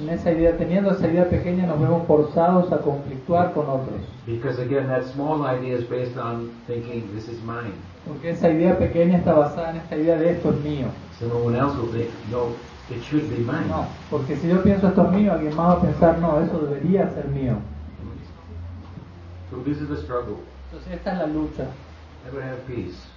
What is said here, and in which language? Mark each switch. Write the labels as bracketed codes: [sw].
[es] En esa idea, teniendo esa idea pequeña, nos vemos forzados a conflictuar con otros. [en] Because again, that small idea is based on thinking this is mine. [es] Porque esa idea pequeña está basada en esta idea de esto es mío. [en] So no one else will think no. It should be mine. [es] No, porque si yo pienso esto es mío, alguien más va a pensar, no, eso debería ser mío. [en] So this is the struggle. [es] Entonces esta es la lucha. [en] Never have peace.